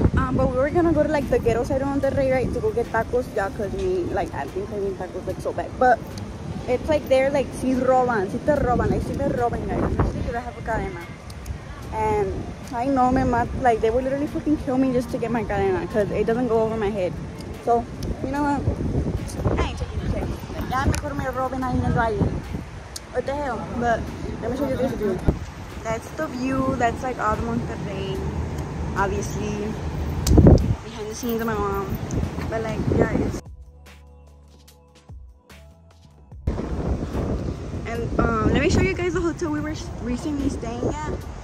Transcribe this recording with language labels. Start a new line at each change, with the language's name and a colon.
English: But we were gonna go to like the ghetto side of Monterrey, right, to go get tacos, yeah, cause me, like, I've been craving tacos like so bad. But it's like they're like,
Spanish: si roban, si te roban,
English: like,
Spanish: si te roban,
English: guys. I'm sick, I have a cadena. And I know my mom, like, they would literally fucking kill me just to get my cadena, cause it doesn't go over my head. So, you know what? I ain't checking the check.
Spanish: Ya mejor me roben ahí en el valle.
English: What the hell? But let me show you this view. That's the view, that's like all the Monterrey. Obviously, behind the scenes of my mom, but like, yeah, it's and let me show you guys the hotel we were recently staying at.